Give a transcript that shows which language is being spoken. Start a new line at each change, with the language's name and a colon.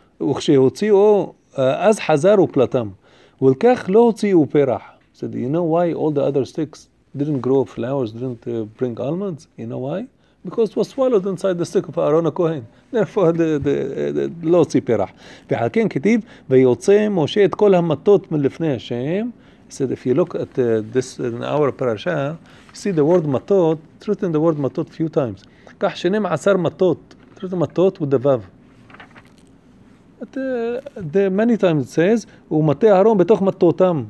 Hebrew: וכשהוציאו, אז חזר ופלטם. ולכך לא הוציאו פרח.
English: Said, you know why all the other sticks didn't grow flowers, didn't bring almonds? You know why? Because it was swallowed inside the stick of Aaron HaKohen. Therefore, the lo ziperach.
Hebrew: ועל כן כתיב, ויוצא משה את כל המטות מלפני השם.
English: Said, if you look at this in our parasha, you see the word matot, it's written the word matot few times. כך שנים עשר מטות, it's written matot with the vav. But many times it says, ומטה אהרון בתוך מטותם.